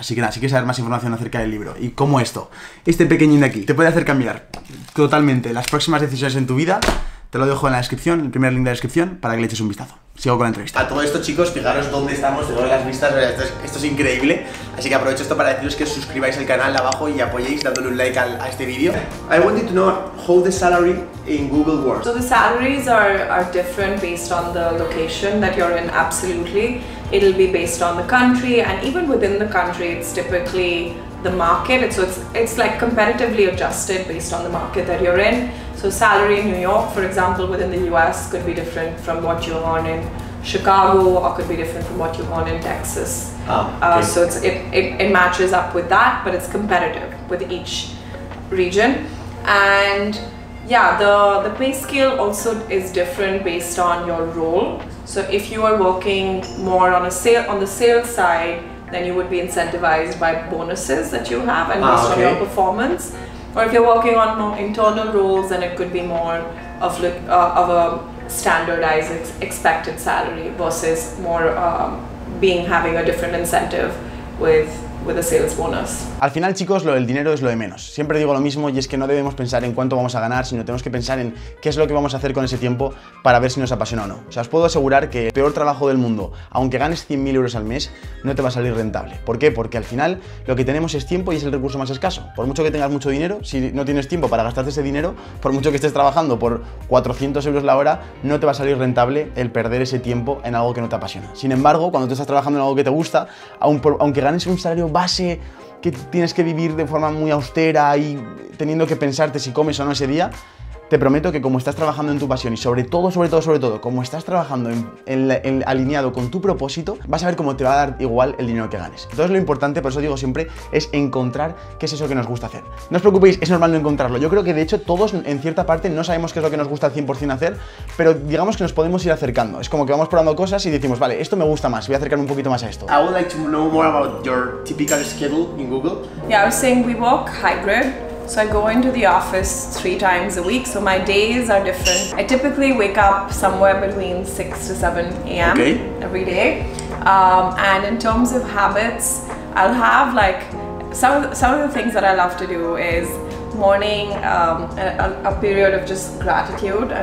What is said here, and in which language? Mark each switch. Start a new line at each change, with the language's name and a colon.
Spanish: Así que nada, si quieres saber más información acerca del libro y cómo esto, este pequeñín de aquí, te puede hacer cambiar totalmente las próximas decisiones en tu vida, te lo dejo en la descripción, el primer link de la descripción, para que le eches un vistazo. sigo con la entrevista. A todo esto, chicos, fijaros dónde estamos, de las vistas, esto es increíble. Así que aprovecho esto para deciros que suscribáis al canal abajo y apoyéis dándole un like a este vídeo.
English: I wanted to know how the salary in Google works. So the salaries are different based on the location that you're in, absolutely. It'll be based on the country, and even within the country, it's typically the market. So it's like competitively adjusted based on the market that you're in. So salary in New York, for example, within the US, could be different from what you earn in Chicago, or could be different from what you earn in Texas. Okay. So it matches up with that, but it's competitive with each region. And yeah, the pay scale also is different based on your role. So if you are working more on the sales side, then you would be incentivized by bonuses that you have and based on your performance. Or if you're working on more internal roles, then it could be more of a standardized expected salary versus more having a different incentive with a sales bonus.
Spanish: Al final, chicos, lo del dinero es lo de menos. Siempre digo lo mismo, y es que no debemos pensar en cuánto vamos a ganar, sino tenemos que pensar en qué es lo que vamos a hacer con ese tiempo para ver si nos apasiona o no. O sea, os puedo asegurar que el peor trabajo del mundo, aunque ganes 100.000 euros al mes, no te va a salir rentable. ¿Por qué? Porque al final lo que tenemos es tiempo y es el recurso más escaso. Por mucho que tengas mucho dinero, si no tienes tiempo para gastarte ese dinero, por mucho que estés trabajando por 400 euros la hora, no te va a salir rentable el perder ese tiempo en algo que no te apasiona. Sin embargo, cuando tú estás trabajando en algo que te gusta, aunque ganes un salario base que tienes que vivir de forma muy austera y teniendo que pensarte si comes o no ese día, te prometo que como estás trabajando en tu pasión y sobre todo, como estás trabajando en alineado con tu propósito, vas a ver cómo te va a dar igual el dinero que ganes. Entonces lo importante, por eso digo siempre, es encontrar qué es eso que nos gusta hacer. No os preocupéis, es normal no encontrarlo. Yo creo que de hecho todos en cierta parte no sabemos qué es lo que nos gusta al 100% hacer, pero digamos que nos podemos ir acercando. Es como que vamos probando cosas y decimos, vale, esto me gusta más, voy a acercarme un poquito más a esto.
English: I would like to know more about your typical schedule in Google. Yeah, I was saying we work hybrid. So I go into the office 3 times a week, so my days are different. I typically wake up somewhere between 6 to 7 a.m. Okay. every day. And in terms of habits, I'll have like, some of the things that I love to do is morning, a period of just gratitude.